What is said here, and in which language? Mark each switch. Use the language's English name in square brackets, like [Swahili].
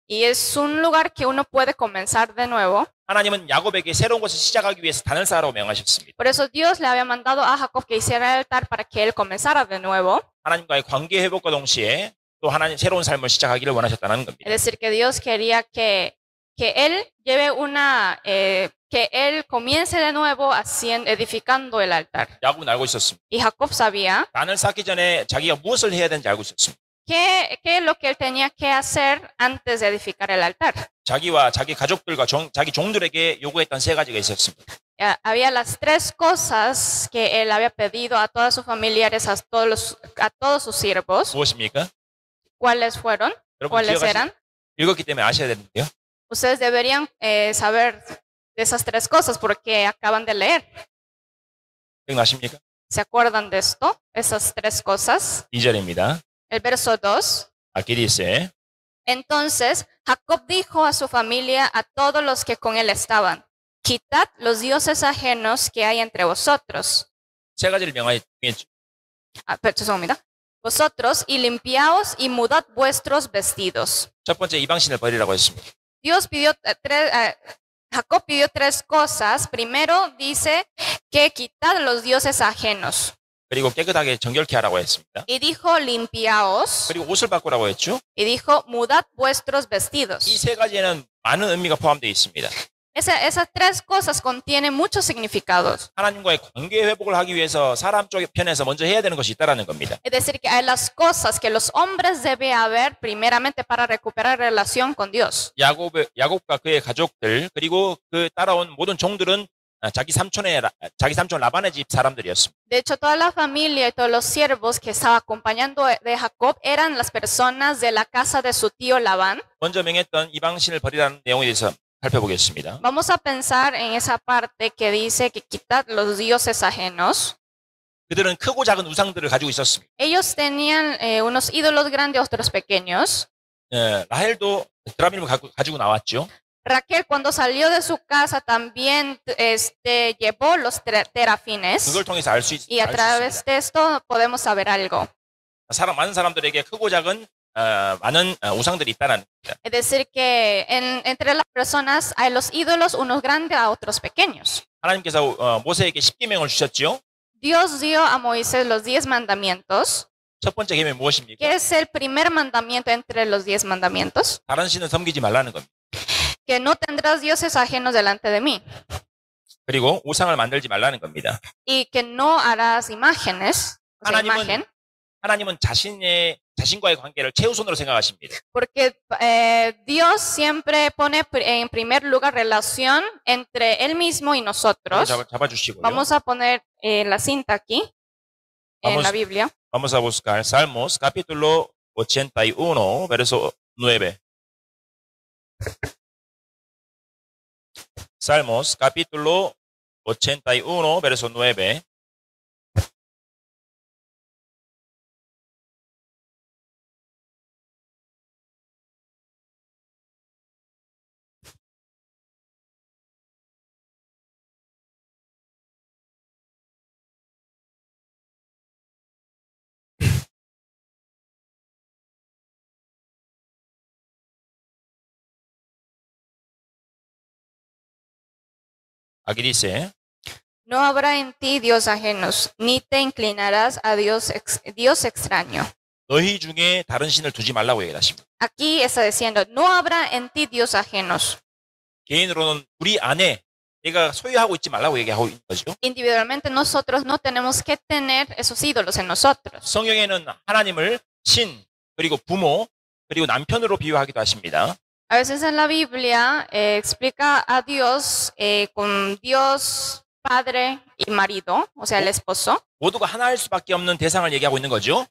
[Spanish] Y es un lugar que uno puede comenzar de nuevo. [Korean] 하나님은 야곱에게 새로운 것을 시작하기 위해서 단을 쌓으라고 명하셨습니다. [Spanish] Por eso Dios le había mandado a Jacob que hiciera el altar para que él comenzara de nuevo. [Korean] 하나님과의 관계 회복과 동시에 또 하나님 새로운 삶을 시작하기를 원하셨다는 겁니다. [Spanish] Es decir, que Dios quería que él lleve una que él comience de nuevo haciendo edificando el altar. [Korean] 야곱은 알고 있었습니다. [Spanish] Y Jacob sabía. [Korean] 단을 쌓기 전에 자기가 무엇을 해야 되는지 알고 있었습니다. [Spanish] ¿Qué es lo que él tenía que hacer antes de edificar el altar? [Korean] 자기와 자기 가족들과 자기 종들에게 요구했던 세 가지가 있었습니다. [Spanish] Había las tres cosas que él había pedido a todas sus familiares, a todos sus siervos. [Korean] 무엇입니까? [Spanish] ¿Cuáles fueron? ¿Cuáles eran? [Korean] 읽었기 때문에 아셔야 되는데요. [Spanish] Ustedes deberían saber de esas tres cosas porque acaban de leer. [Korean] 기억나십니까? [Spanish] ¿Se acuerdan de esto? Esas tres cosas. [Korean] 2절입니다. [Spanish] El verso 2. Aquí dice. Entonces, Jacob dijo a su familia, a todos los que con él estaban, quitad los dioses ajenos que hay entre vosotros. [Korean] 세 가지를 명하였죠. 아, 죄송합니다. [Spanish] Vosotros, y limpiaos y mudad vuestros vestidos. [Korean] 첫 번째, 이방신을 버리라고 했습니다. [Spanish] Dios pidió, Jacob pidió tres cosas. Primero, dice que quitad los dioses ajenos. [Korean] 그리고 깨끗하게 정결케 하라고 했습니다. [Spanish] Y dijo limpiaos. [Korean] 그리고 옷을 바꾸라고 했죠. [Spanish] Y dijo mudad vuestros vestidos. [Korean] 이 세 가지에는 많은 의미가 포함되어 있습니다. [Spanish] Esas tres cosas contienen muchos significados. [Korean] 하나님과의 관계 회복을 하기 위해서 사람 쪽의 편에서 먼저 해야 되는 것이 있다라는 겁니다. [Spanish] Es decir que hay las cosas que los hombres debe haber primeramente para recuperar relación con Dios. [Korean] 야곱과 그의 가족들 그리고 그 따라온 모든 종들은 자기 삼촌 라반의 집 사람들이었습니다. [Spanish] De hecho, toda la familia y todos los siervos que estaba acompañando de Jacob eran las personas de la casa de su tío Labán. [Korean] 먼저 명했던 이방신을 버리라는 내용에 대해서 살펴보겠습니다. [Spanish] Vamos a pensar en esa parte que dice que quitad los dioses ajenos. [Korean] 그들은 크고 작은 우상들을 가지고 있었습니다. [Spanish] Ellos tenían unos ídolos grandes, otros pequeños. [Korean] 라헬도 드라빔을 가지고 나왔죠. [Spanish] Raquel cuando salió de su casa también llevó los terafines. [Korean] 그걸 통해서 알 수 있습니다. [Spanish] Y a través de esto podemos saber algo. [Korean] 많은 사람들에게 크고 작은 많은 우상들이 있다는 겁니다. [Spanish] Es decir que entre las personas hay los ídolos unos grandes a otros pequeños. [Korean] 하나님께서 모세에게 십계명을 주셨죠. [Spanish] Dios dio a Moisés los diez mandamientos. [Korean] 첫 번째 계명 무엇입니까? [Spanish] ¿Qué es el primer mandamiento entre los diez mandamientos? [Korean] 다른 신을 섬기지 말라는 겁니다. [Spanish] Que no tendrás dioses ajenos delante de mí. [Korean] 그리고 우상을 만들지 말라는 겁니다. [Spanish] Y que no harás imágenes. [Korean] 하나님은 자신과의 관계를 최우선으로 생각하십니다. [Spanish] Porque Dios siempre pone en primer lugar relación entre él mismo y nosotros. [Korean] 잡아주시고요. [Spanish] Vamos a poner la cinta aquí en la Biblia. Vamos a buscar Salmos capítulo 81 verso 9. Salmos capítulo 81 verso 9. Aquí dice, no habrá en ti Dios ajenos, ni te inclinarás a Dios extraño. [Korean] 너희 중에 다른 신을 두지 말라고 얘기하십니다. [Spanish] Aquí está diciendo, no habrá en ti Dios ajenos. [Korean] 개인으로는 우리 안에 내가 소유하고 있지 말라고 얘기하고 있는 거죠. [Spanish] Individualmente nosotros no tenemos que tener esos ídolos en nosotros. [Korean] 성경에는 하나님을 신, 그리고 부모, 그리고 남편으로 비유하기도 하십니다. [Spanish] A veces en la Biblia explica a Dios con Dios, padre y marido, o sea, el esposo. [Korean] 모두가 하나일 수밖에 없는 대상을 얘기하고 있는 거죠.